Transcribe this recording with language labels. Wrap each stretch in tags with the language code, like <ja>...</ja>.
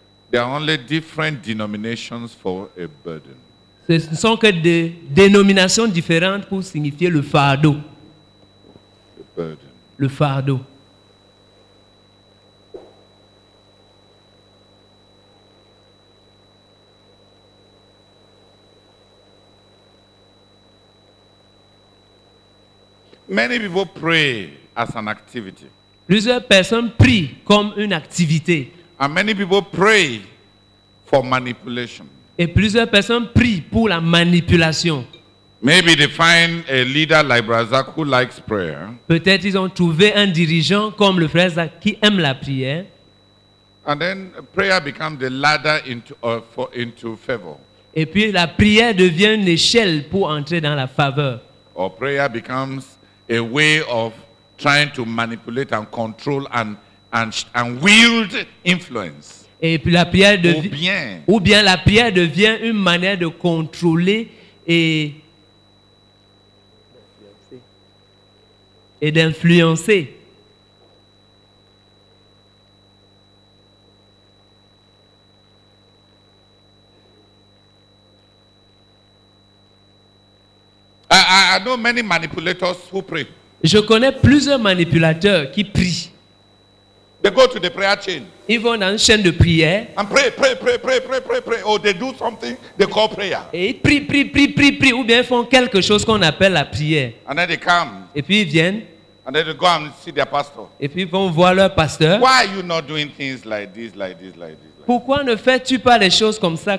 <en>There are only different denominations for a burden.</en> <fr>Ce ne sont que des dénominations différentes pour signifier le fardeau.</fr> <en>The burden.</en> <fr>Le fardeau.</fr> <en>Many people pray as an activity.</en> <fr>Plusieurs personnes prient comme une activité.</fr> <en>And many people pray for manipulation.</en> <fr>Et plusieurs personnes prient pour la manipulation.</fr> <en>Maybe they find a leader like Brazak who likes prayer.</en> <fr>Peut-être ils ont trouvé un dirigeant comme le frère Zach qui aime la prière.</fr> <en>And then prayer becomes the ladder into favor.</en> <fr>Et puis la prière devient une échelle pour entrer dans la faveur.</fr> <en>Or prayer becomes a way of trying to manipulate and control and wield influence.</en> <fr>Et puis la prière ou bien la prière devient une manière de contrôler et d'influencer.</fr> <en>I know many manipulators who pray.</en> <fr>Je connais plusieurs manipulateurs qui prient.</fr> <en>They go to the prayer chain.</en> <fr>Ils vont dans une chaîne de prière.</fr> <en>And pray. Or they do something they call prayer.</en> <fr>Et ils prient. Ou bien font quelque chose qu'on appelle la prière.</fr> <en>And then they come.</en> <fr>Et puis ils viennent.</fr> <en>And then they go and see their pastor.</en> <fr>Et puis ils vont voir leur pasteur.</fr> <en>Why are you not doing things like this?</en> <fr>Pourquoi ne fais-tu pas les choses comme ça?</fr>